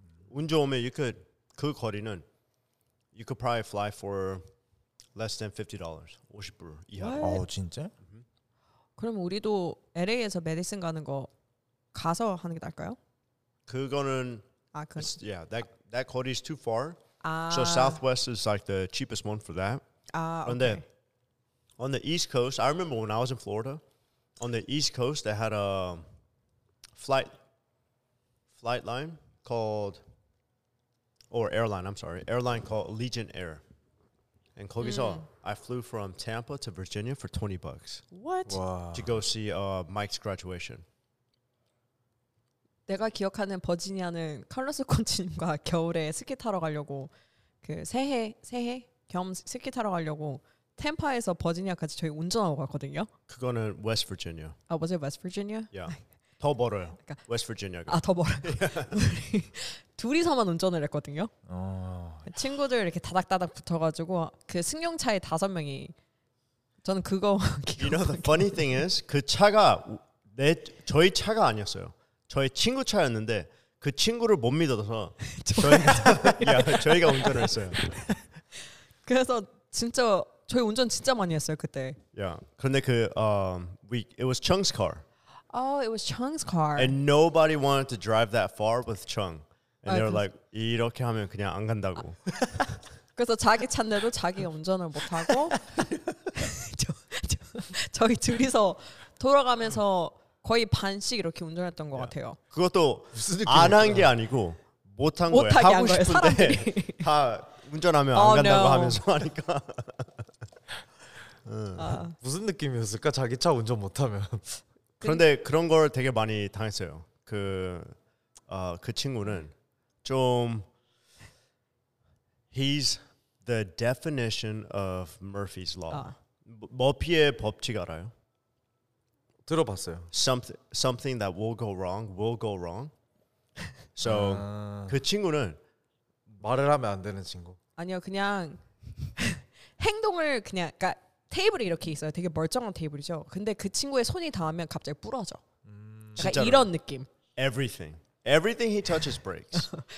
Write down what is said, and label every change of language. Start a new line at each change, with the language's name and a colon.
Korean: 운 좋으면
English: you could
Korean: 그 거리는
English: you could probably fly for less than $50.
Korean: 50불 이하. 아, 진짜? Mm-hmm. 그럼 우리도 LA에서 메디슨 가는 거 가서 하는 게 나을까요? 그거는 아, 그
English: yeah, that quality is too far.
Korean: 아.
English: So Southwest is like the cheapest one for that.
Korean: 아, 그런데
English: okay. On the East Coast, I remember when I was in Florida, on the East Coast, they had a flight line called, or airline, I'm sorry, airline called Allegiant Air. And
Korean: 거기서
English: I flew from Tampa to Virginia for $20. What? Wow. To go see Mike's graduation.
Korean: 내가 기억하는 버지니아는 칼로스 코치님과 겨울에 스키 타러 가려고, 그 새해 겸 스키 타러 가려고 템파에서 버지니아까지 저희 운전하고 갔거든요. 그거는 West Virginia.
English: 아, was it West Virginia?
Korean: Yeah. 더 멀어요. 그러니까, West Virginia가. 아, 더 멀어요. 둘이서만 운전을 했거든요. 친구들 이렇게 다닥다닥 붙어가지고 그 승용차에 다섯 명이 저는 그거
English: You know the funny thing is
Korean: 그 차가 저희 차가 아니었어요. 저희 친구 차였는데 그 친구를 못 믿어서 저희가 운전을 했어요. 그래서 진짜 저희 운전 진짜 많이 했어요 그때.
English: Yeah.
Korean: 그런데 그
English: it was Chung's car. Oh, it was Chung's car. And nobody wanted to drive that far with Chung. And they were like
Korean: 이렇게 하면 그냥 안 간다고. 그래서 자기 차인데도 자기가 운전을 못 하고 저희 둘이서 돌아가면서 거의 반씩 이렇게 운전했던 것 yeah. 같아요. 그것도 안 한 게 아니고 못 한 거예요. 하고 싶은데 다 운전하면 안 간다고
English: no.
Korean: 하면서 하니까. 무슨 느낌이었을까? 자기 차 운전 못하면. 그런데 그런 걸 되게 많이 당했어요. 그 친구는 좀
English: He's the definition of Murphy's Law.
Korean: 머피의 법칙 알아요? 들어봤어요.
English: Something that will go wrong, will go wrong.
Korean: So 그 친구는 말을 하면 안 되는 친구. 아니요, 그냥 행동을 그냥, 그러니까 테이블이 이렇게 있어요. 되게 멀쩡한 테이블이죠. 근데 그 친구의 손이 닿으면 갑자기 부러져. 진짜 이런 느낌.
English: Everything he touches breaks.